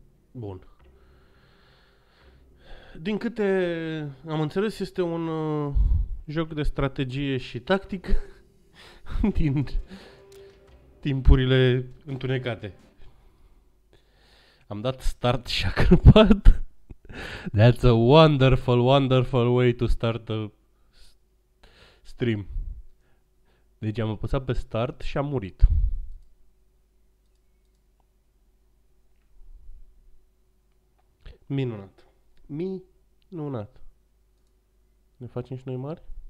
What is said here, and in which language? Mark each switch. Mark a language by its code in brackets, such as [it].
[ro] Bun. Din câte am înțeles, este un joc de strategie și tactică din timpurile întunecate. Am dat start și a crăpat. [en] That's a wonderful, wonderful way to start a stream. [ro] Deci am apăsat pe start și am murit. Minunat. Minunat. Ne facem și noi mari?